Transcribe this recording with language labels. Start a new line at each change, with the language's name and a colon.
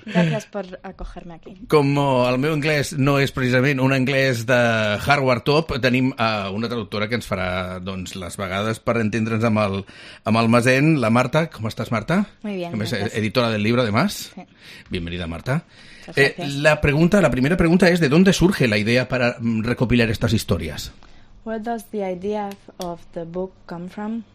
Catalan: Gràcies per acoger-me aquí. Com el meu anglès no és precisament un anglès de hardware top, tenim una traductora que ens farà doncs les vegades per entendre'ns amb el Mazen, la Marta. Com estàs, Marta?
Spanish: Muy bien.
Catalan: Com és editora del llibre, además. Sí.
Spanish: Bienvenida, Marta. La primera pregunta es, ¿de dónde surge la idea para recopilar estas historias?
English: Where does the idea of the book come from?